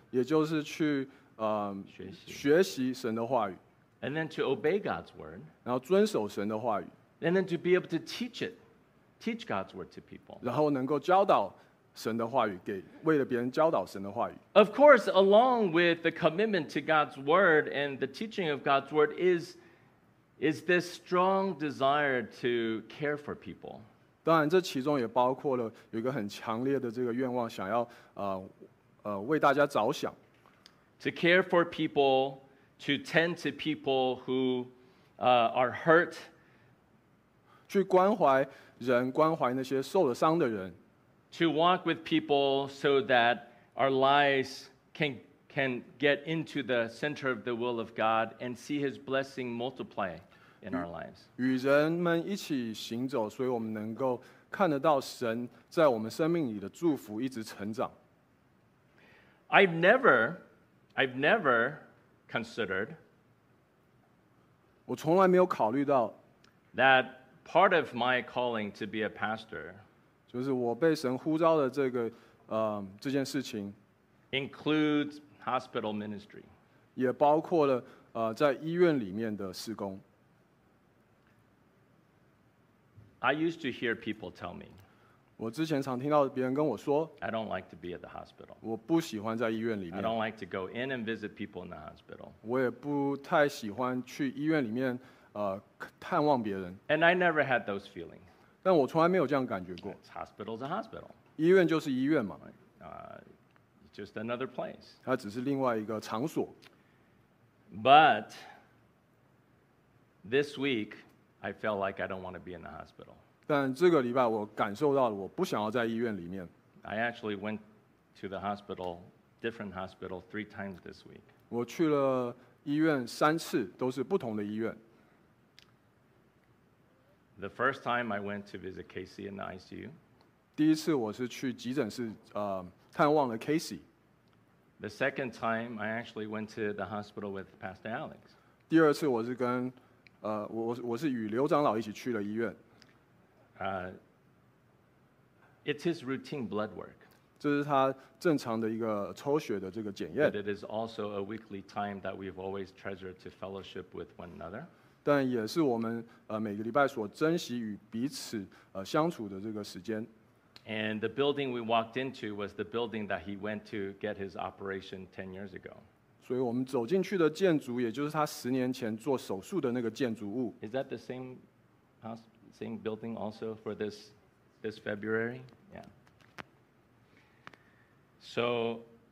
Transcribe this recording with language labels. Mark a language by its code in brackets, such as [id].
[zh] 也就是去学习神的话语 [en] and then to obey God's word, [zh] 然后遵守神的话语 [en] and then to be able to teach God's word to people, [zh] 然后能够教导神的话语为了别人教导神的话语 [en] of course, along with the commitment to God's word and the teaching of God's word is this strong desire to care for people. [zh] 当然，这其中也包括了有一个很强烈的这个愿望，想要为大家着想。 [en] To care for people, to tend to people who are hurt. [zh] 去关怀人，关怀那些受了伤的人。 [en] To walk with people so that our lives can get into the center of the will of God and see His blessing multiply. In our lives. [zh] 与人们一起行走，所以我们能够看得到神在我们生命里的祝福一直成长。 [en] I've never considered. [zh] 我从来没有考虑到 [en] that part of my calling to be a pastor. [zh] 就是我被神呼召的这个这件事情 [en] includes hospital ministry. [zh] 也包括了在医院里面的事工。 [en] I used to hear people tell me, [zh] 我之前常听到别人跟我说 [en] I don't like to be at the hospital. [zh] 我不喜欢在医院里面 [en] I don't like to go in and visit people in the hospital. [zh] 我也不太喜欢去医院里面探望别人 [en] And I never had those feelings. [zh] 但我从来没有这样感觉过 [en] It's hospital is a hospital. [zh] 医院就是医院嘛 [en] Just another place. [zh] 它只是另外一个场所 [en] But this week,I felt like I don't want to be in the hospital. [zh] 但这个礼拜我感受到我不想要在医院里面。 [en] I actually went to the hospital, different hospital, three times this week. [zh] 我去了医院三次，都是不同的医院。 [en] The first time I went to visit Casey in the ICU. [zh] 第一次我是去急诊室探望了 Casey. [en] The second time I actually went to the hospital with Pastor Alex. [zh] 第二次我是跟我是与刘长老一起去了医院。 [en] It's his routine blood work. [zh] 这是他正常的一个抽血的这个检验。 [en] But it is also a weekly time that we've always treasured to fellowship with one another. [zh] 但也是我们每个礼拜所珍惜与彼此相处的这个时间。 [en] And the building we walked into was the building that he went to get his operation 10 years ago. [zh] 所以我们走进去的建筑，也就是他十年前做手术的那个建筑物。 [en] Is that the same house, same building also for this February? Yeah. So,